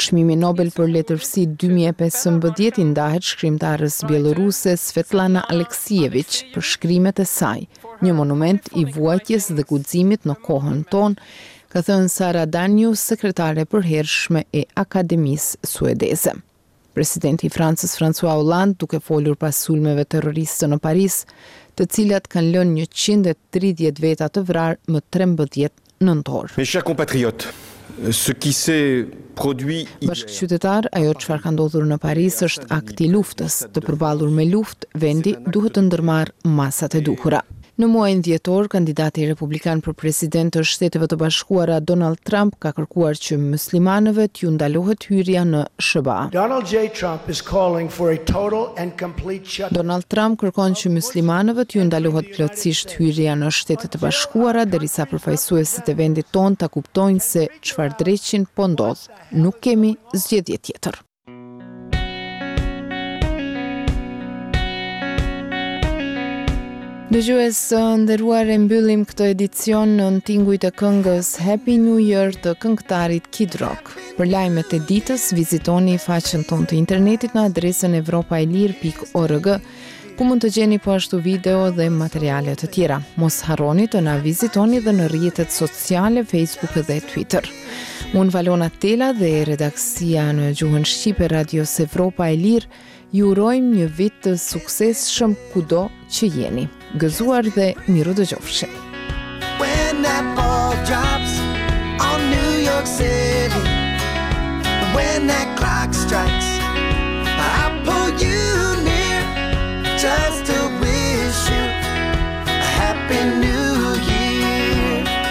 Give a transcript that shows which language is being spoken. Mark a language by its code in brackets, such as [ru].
[sq] Çmimi Nobel për letërsi 2015 i ndahet shkrimtarës bieloruse Svetlana Aleksijevich për shkrimet e saj, një monument i vuajtjes dhe guximit në kohën tonë, ka thënë Sara Danius, sekretare përhershme e Akademisë Suedeze. Presidenti i Francës François Hollande, duke folur pas sulmeve terroriste në Paris, të cilat kanë lënë 130 veta të vrarë më 13 nëntor. [fr] Mes chers compatriotes, ce qui s'est produit hier. [sq] Bashkëqytetar, ajo çfarë ka ndodhur në Paris është akt i luftës. Të përballur me luftë, vendi duhet të ndërmarrë masat e duhura. Në muajin dhjetor, kandidati republikan për president të Shteteve të Bashkuara Donald Trump ka kërkuar që muslimanëve t'ju ndalohet hyrja në SBA. [en] Donald J. Trump is calling for a total and complete shutdown. [sq] Donald Trump kërkon që muslimanëve t'ju ndalohet plotësisht hyrja në Shtetet të Bashkuara derisa përfaqësuesit e vendit ton ta kuptojnë se çfarë dreqin po ndodh. Nuk kemi zgjedhje tjetër. Dëgjues të nderuar, e mbyllim këtë edicion në tingujt e këngës Happy New Year të këngëtarit Kid Rock. Për lajmet e ditës, vizitoni faqen tonë të internetit në adresën evropailir.org, ku mund të gjeni po ashtu video dhe materiale të tjera. Mos harroni të na vizitoni dhe në rrjetet sociale Facebook dhe Twitter. Unë Valona Tela dhe redaksia në gjuhën shqipe Radios Evropa e Lirë ju urojmë një vit të suksesshëm kudo që jeni. Gëzuar dhe miru dëgjofshe. [en] When that ball drops on New York City, when that clock strikes, I pull you near just to wish you a happy new year.